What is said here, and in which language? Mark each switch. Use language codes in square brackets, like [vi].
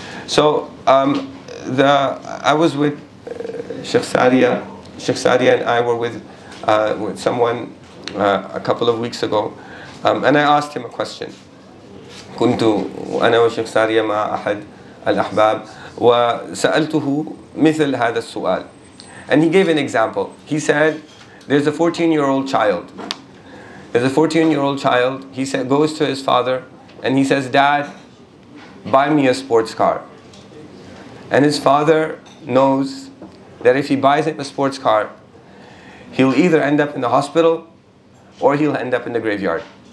[en] So I was with Sheikh Saria and I were with someone a couple of weeks ago, and I asked him a question. [ar] كنت أنا وشيخ ساريا مع أحد الأحباب وسألته مثل هذا السؤال. [en] And he gave an example. He said, there's a 14-year-old child. There's a 14-year-old child. He said, goes to his father and he says, Dad, buy me a sports car. And his father knows that if he buys him a sports car, he'll either end up in the hospital or he'll end up in the graveyard.